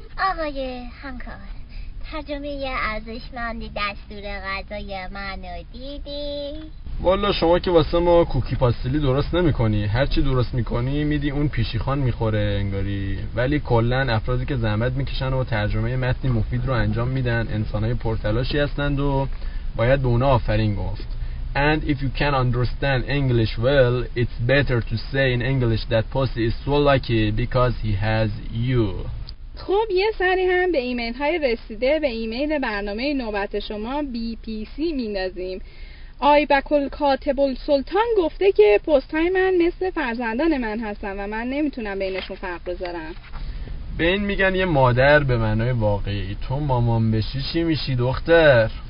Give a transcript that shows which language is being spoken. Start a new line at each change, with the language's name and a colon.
Persian: آقای همکار، ترجمه ارزشمند دستور غذای من رو دیدی؟ والا شما که واسه ما کوکی پاستلی درست نمی کنی، هرچی درست می کنی میدی اون پیشی خان می خوره انگاری. ولی کلن افرادی که زحمت می کشن و ترجمه متنی مفید رو انجام میدن انسانای پرتلاشی هستند و باید به اونا آفرین گفت.
English: And if you can understand English well, it's better to say in English that Pussy is so lucky because he has you.
Persian: خب یه سری هم به ایمیل های رسیده به ایمیل برنامه نوبت شما BPC میندازیم. آی بکل کاتب السلطان گفته که پست های من مثل فرزندان من هستن و من نمیتونم بینشون فرق بذارم. به این میگن یه مادر به معنای واقعی. تو مامان بشی چی میشی دختر؟